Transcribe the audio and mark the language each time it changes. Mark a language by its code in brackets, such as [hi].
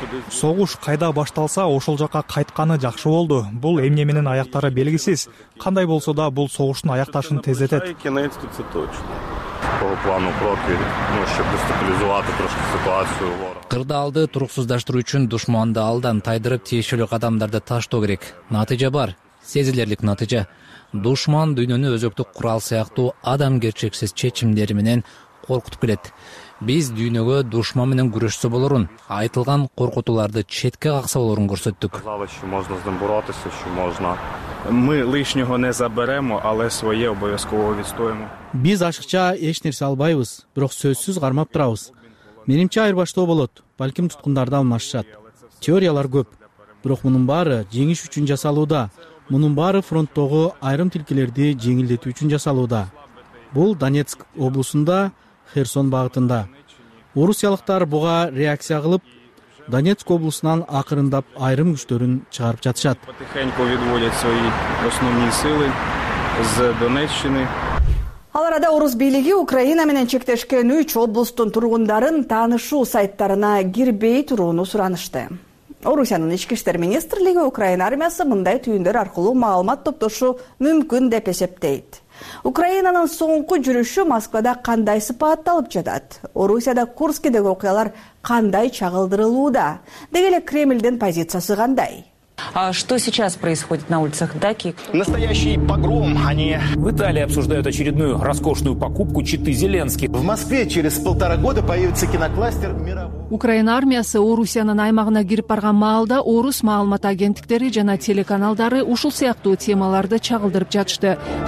[ky] Согуш кайда башталса, ошол жакка кайтканы жакшы болду. Бул эмне менен аяктары белгисиз. Кандай болсо да, бул согуштун аякташын тездетет. [ru] По плану Прокви, чтобы дестабилизовать трошки ситуацию. [ky] Кырдаалды туруксуздаштыруу үчүн душманды алдан тайдырып, тиешелүү кадамдарды таштоо керек. Натыйжа бар. Сезилерлик натыйжа. Душман дүйнөнү өзөктүк курал сыяктуу адамгерчиксиз чечимдери менен коркутуп келет. Биз дүйнөгө душман менен күрөшсө болорун, айтылган коркутууларды четке какса болорун көрсөттүк. [ru] Можно с ним бороться, еще можно. [uk] Мы лишнего не заберемо, але свое обовязково відстоїмо. [ky] Биз ашыкча эч нерсе албайбыз, бирок сөзсүз кармап турабыз. Менимче айырбаштоо болот, балким туткундарды алмашышат. Теориялар көп, бирок мунун баары жеңиш үчүн жасалууда. Мунун баары фронттогу айрым тилкелерди жеңилдетүү үчүн жасалууда. Бул Донецк облусунда, Херсон багытында. Орусиялыктар буга реакция кылып, Донецк облусунан акырындап айрым күчтөрүн чыгарып жатышат. [ru] Потихоньку выводят свои основные силы из Донеччины. [ky] Ал арада орус бийлиги Украина менен чектешкен 3 облустун тургундарын таанышуу сайттарына кирбей турууну суранышты. Орусиянын ички иштер министрлиги Украина армиясы мындай түйүндөр аркылуу маалымат топтошу мүмкүн деп эсептейт. Украинанын соңку жүрүшү Москвада кандай сыпатты алып жатат? Орусияда Курскидеги окуялар кандай чагылдырылууда? Деги эле Кремлдин позициясы кандай? [ru] А что сейчас происходит на улицах Даки? Настоящий погром, они... В Италии обсуждают очередную роскошную покупку читы Зеленски. В Москве через полтора года появится кинокластер мировой... [ky] Украина армиясы Орусиянын аймагына кирип барган маалда орус маалымат агенттиктери жана телеканалдары ушул сыяктуу темаларды чагылдырып жатышты.